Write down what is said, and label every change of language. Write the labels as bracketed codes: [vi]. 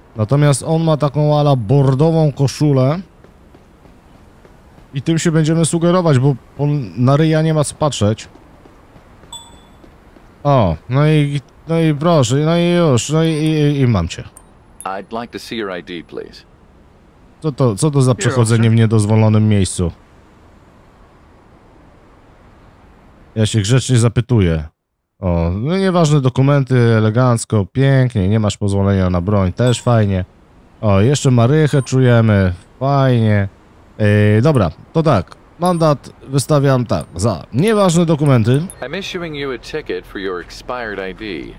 [pl] Natomiast on ma taką ala bordową koszulę. I tym się będziemy sugerować, bo on na ryja nie ma co patrzeć. O, no i proszę, no i już, no i mam cię. [en] I'd like to see your ID, please. [pl] Co to za przechodzenie w niedozwolonym miejscu? Ja się grzecznie zapytuję. O, no nieważne dokumenty, elegancko, pięknie, nie masz pozwolenia na broń, też fajnie. O, jeszcze marychę czujemy, fajnie. Dobra, to tak, mandat wystawiam tak, za nieważne dokumenty. [en] I'm issuing you a ticket for your expired ID.